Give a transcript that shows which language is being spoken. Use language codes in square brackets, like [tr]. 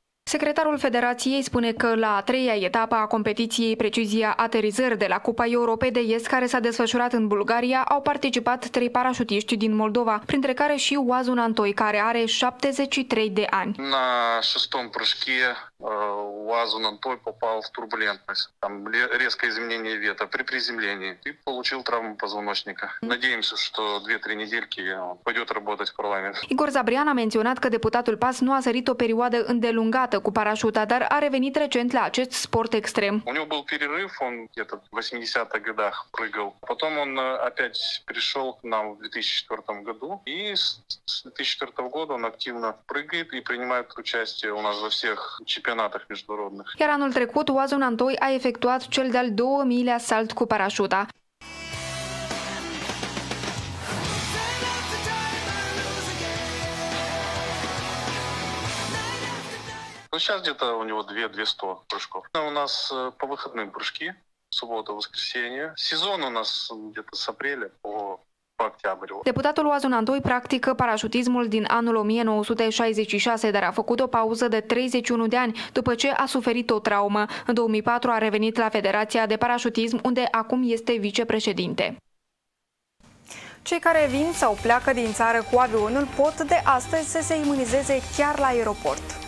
[ro] Secretarul Federației spune că la a treia etapă a competiției Precizia Aterizări de la Cupa Europei de Est, care s-a desfășurat în Bulgaria, au participat 3 parașutiști din Moldova, printre care și Oazu Nantoi, care are 73 de ani. [ru] На шестом прыжке Oazu Nantoi попал в турбулентность. Там резкое изменение ветра при приземлении и получил травму позвоночника. Надеемся, что 2-3 недельки пойдет работать в парламент. [ro] Igor Zabrian a menționat că deputatul PAS nu a sărit o perioadă îndelungată cu parașuta, dar a revenit recent la acest sport extrem. [ru] У него был перерыв, он где-то в 80-х годах прыгал. Потом он опять пришел к нам в 2004 году. И с 2004 года он активно прыгает и принимает участие у нас во всех чемпионатах международных. [ro] Iar anul trecut, Oazu Nantoi a efectuat cel de-al 2000-lea salt cu parașuta. [ru] Сейчас где-то у него 2-2100 прыжков. У нас по выходным прыжки, суббота, воскресенье. Сезон у нас где-то с апреля по октябрь. [ro] Депутатul Oazu Nantoi practică parașutismul din anul 1966, dar a făcut o pauză de 31 de ani după ce a suferit o traumă. În 2004 a revenit la Federația de Parașutism, unde acum este vicepreședinte. Cei care vin sau pleacă din țară cu avionul pot de astăzi să se imunizeze chiar la aeroport.